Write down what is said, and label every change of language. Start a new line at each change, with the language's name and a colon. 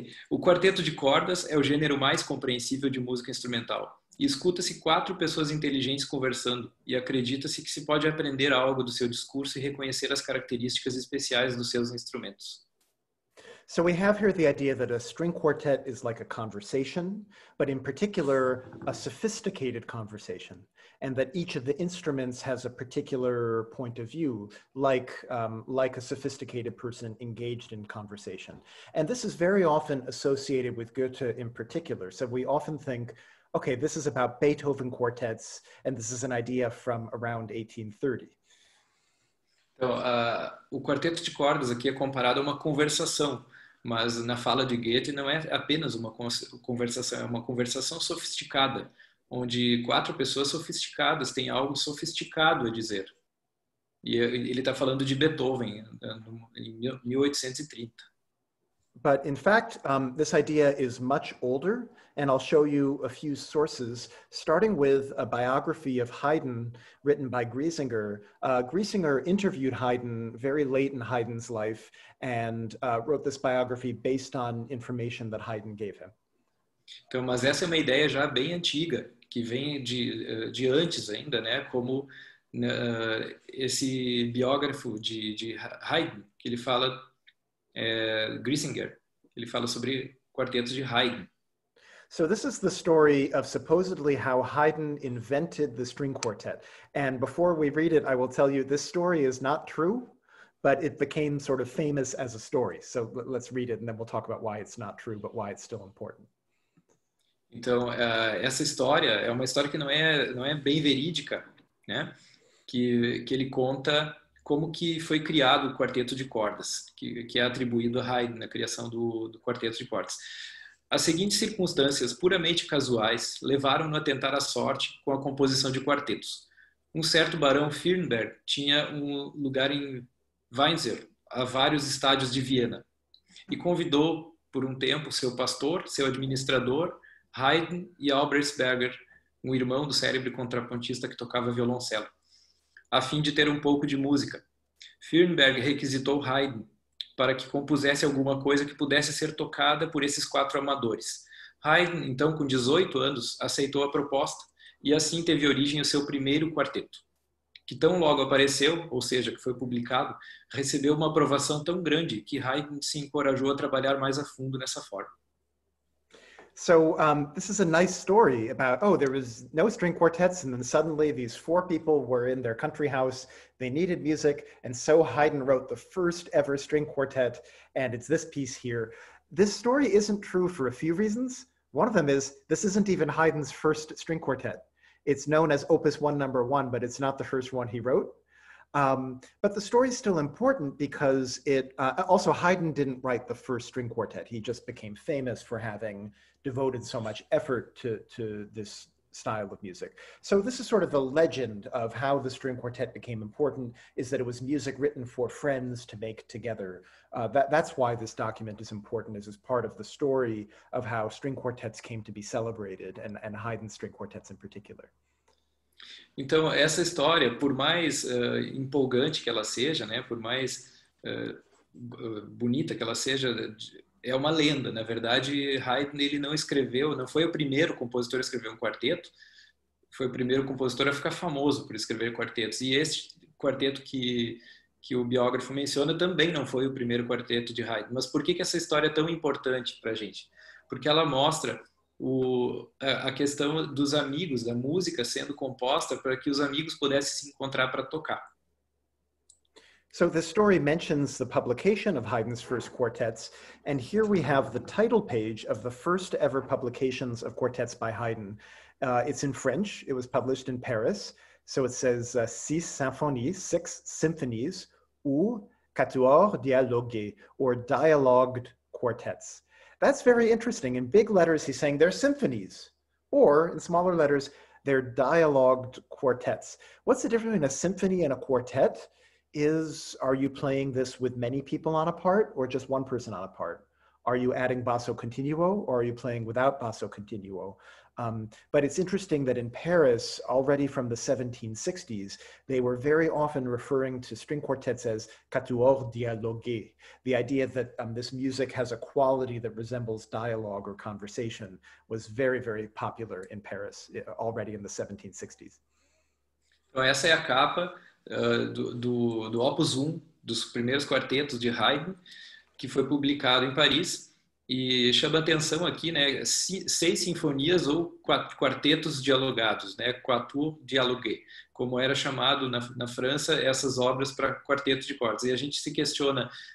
Portuguese: O quarteto de cordas é o gênero mais compreensível de música instrumental. E escuta-se quatro pessoas inteligentes conversando e acredita-se que se pode aprender algo do seu discurso e reconhecer as características especiais dos seus instrumentos.
English: So we have here the idea that a string quartet is like a conversation, but in particular, a sophisticated conversation, and that each of the instruments has a particular point of view, like a sophisticated person engaged in conversation. And this is very often associated with Goethe in particular. So we often think, okay, this is about Beethoven quartets, and this is an idea from around 1830.
Portuguese: Então, o quarteto de cordas aqui é comparado a uma conversação, mas na fala de Goethe não é apenas uma conversação, é uma conversação sofisticada, onde quatro pessoas sofisticadas têm algo sofisticado a dizer. E ele está falando de Beethoven, em 1830.
English: But in fact, this idea is much older, and I'll show you a few sources, starting with a biography of Haydn written by Griesinger. Griesinger interviewed Haydn very late in Haydn's life and wrote this biography based on information that Haydn gave him.
Portuguese: Então, mas essa é uma ideia já bem antiga, que vem de antes ainda, né? Como esse biógrafo de Haydn, que ele fala... Griesinger, ele fala sobre quartetos de Haydn.
English: So this is the story of supposedly how Haydn invented the string quartet. And before we read it, I will tell you this story is not true, but it became sort of famous as a story. So let's read it and then we'll talk about why it's not true, but why it's still important.
Portuguese: Então, essa história é uma história que não é bem verídica, né? Que ele conta como que foi criado o quarteto de cordas, que é atribuído a Haydn na criação do quarteto de cordas. As seguintes circunstâncias puramente casuais levaram-no a tentar a sorte com a composição de quartetos. Um certo barão Firnberg tinha um lugar em Weinzer, a vários estádios de Viena, e convidou por um tempo seu pastor, seu administrador, Haydn e Albrechtsberger, um irmão do célebre contrapontista que tocava violoncelo. a fim de ter um pouco de música. Firnberg requisitou Haydn para que compusesse alguma coisa que pudesse ser tocada por esses quatro amadores. Haydn, então com 18 anos, aceitou a proposta e assim teve origem o seu primeiro quarteto, que tão logo apareceu, ou seja, que foi publicado, recebeu uma aprovação tão grande que Haydn se encorajou a trabalhar mais a fundo nessa forma.
English: So, this is a nice story about, oh, there was no string quartets, and then suddenly these four people were in their country house, they needed music, and so Haydn wrote the first ever string quartet, and it's this piece here. This story isn't true for a few reasons. One of them is, this isn't even Haydn's first string quartet. It's known as Opus 1 number 1, but it's not the first one he wrote. But the story is still important because it, also Haydn didn't write the first string quartet. He just became famous for having devoted so much effort to this style of music. So this is sort of the legend of how the string quartet became important, is that it was music written for friends to make together. That's why this document is important, is as part of the story of how string quartets came to be celebrated, and Haydn's string quartets in particular.
Portuguese: Então, essa história, por mais empolgante que ela seja, né, por mais bonita que ela seja, é uma lenda. Na verdade, Haydn, ele não escreveu, não foi o primeiro compositor a escrever um quarteto, foi o primeiro compositor a ficar famoso por escrever quartetos. E este quarteto que o biógrafo menciona também não foi o primeiro quarteto de Haydn. Mas por que, que essa história é tão importante para a gente? Porque ela mostra a questão dos amigos, da música sendo composta para que os amigos pudessem se encontrar para tocar.
English: So the story mentions the publication of Haydn's first quartets, and here we have the title page of the first ever publications of quartets by Haydn. It's in French, it was published in Paris, so it says six symphonies, six symphonies,
French: ou quatuors dialogués,
English: or dialogued quartets. That's very interesting. In big letters, he's saying they're symphonies, or in smaller letters, they're dialogued quartets. What's the difference between a symphony and a quartet? Are you playing this with many people on a part or just one person on a part? Are you adding basso continuo or are you playing without basso continuo? But it's interesting that in Paris, already from the 1760s, they were very often referring to string quartets as
French: quatuors dialogués,
English: the idea that this music has a quality that resembles dialogue or conversation was very, very popular in Paris already in the 1760s.
Portuguese: Então, essa é a capa do Opus 1, dos primeiros quartetos de Haydn, que foi publicado em Paris. E chama atenção aqui, né, seis sinfonias ou quartetos dialogados, né,
French: quatuors dialogués,
Portuguese: como era chamado na França essas obras para quarteto de cordas. E a gente se questiona,